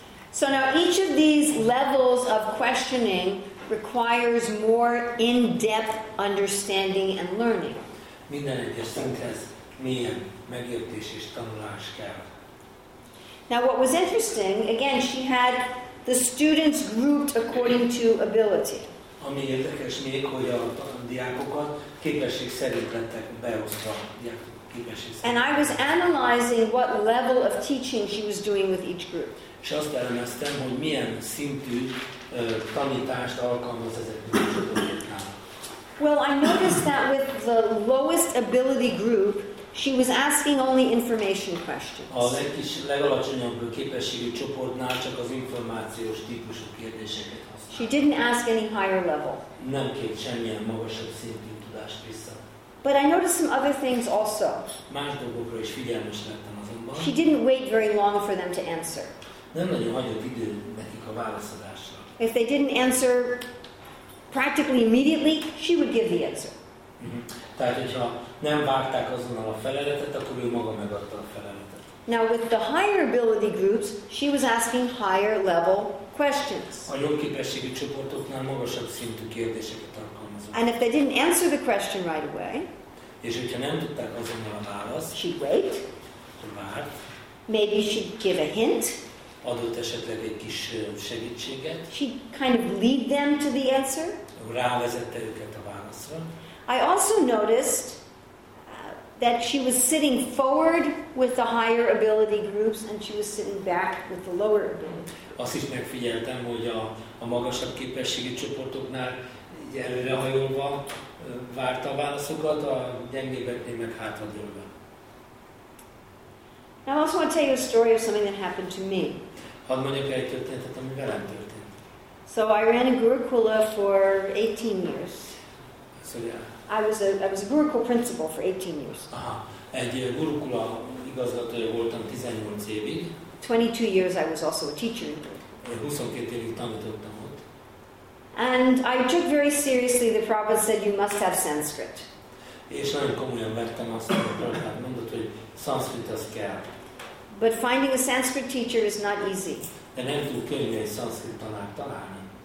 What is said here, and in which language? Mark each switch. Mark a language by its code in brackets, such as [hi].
[en] So now each of these levels of questioning requires more in-depth understanding and learning. [hu] Minden egyes szinthez mélyen megértés és tanulás kell. [en] Now what was interesting, again, she had the students grouped according to ability. [hu] Ami érdekes még, hogy a diákokat képesség szerint lettek beosztva, képesség szerint. [en] And I was analyzing what level of teaching she was doing with each group. [hu] És azt elemeztem, hogy milyen szintű tanítást alkalmaz ezeknek a csoportoknak. [en] Well, I noticed that with the lowest ability group, she was asking only information questions. [hu] A legalacsonyabb képességű csoportnál csak az információs típusú kérdéseket használ. [en] She didn't ask any higher level. [hu] Nem kért semmilyen magasabb szintű tudást vissza. [en] But I noticed some other things also. [hu] Más dolgokra is figyelmes lettem azonban. [en] She didn't wait very long for them to answer. [hu] Nem nagyon hagyott idő nekik a válaszadásra. [en] If they didn't answer practically immediately, she would give the answer. [hu] Tehát, hogyha nem várták azonnal a feleletet, akkor ő maga megadta a feleletet. [en] Now with the higher ability groups, she was asking higher level questions. [hu] A jobb képességű csoportoknál magasabb szintű kérdéseket tartalmazott. [en] And if they didn't answer the question right away, [hu] és hogyha nem tudták azonnal a választ, [en] she'd wait. [hu] Várt. [en] Maybe she'd give a hint. [hu] Adott esetleg egy kis segítséget. [en] She kind of lead them to the answer. [hu] Rávezette őket a válaszra. [en] I also noticed that she was sitting forward with the higher ability groups and she was sitting back with the lower ability. [hu] Azt is megfigyeltem, hogy a magasabb képességi csoportoknál előrehajolva várta a válaszokat, a gyengébbeknél meg hátradőlve. [en] Now I also want to tell you a story of something that happened to me. [hu] Hadd mondjak el egy történetet, ami velem történt. [en] So I ran a Gurukula for 18 years. So yeah. I was a Gurukula principal for 18 years. Aha. [hu] Egy Gurukula igazgatója voltam 18 évig. [en] 22 years I was also a teacher in [hu] Gurukula. 22 évig tanítottam ott. [en] And I took very seriously the Prabhupada said you must have Sanskrit. [hu] És nagyon komolyan vettem azt, hogy a Prabhupada mondott, hogy Sanskrit az kell. [en] But finding a Sanskrit teacher is not easy. [hu] De nem túl könnyű egy Sanskrit tanárt találni.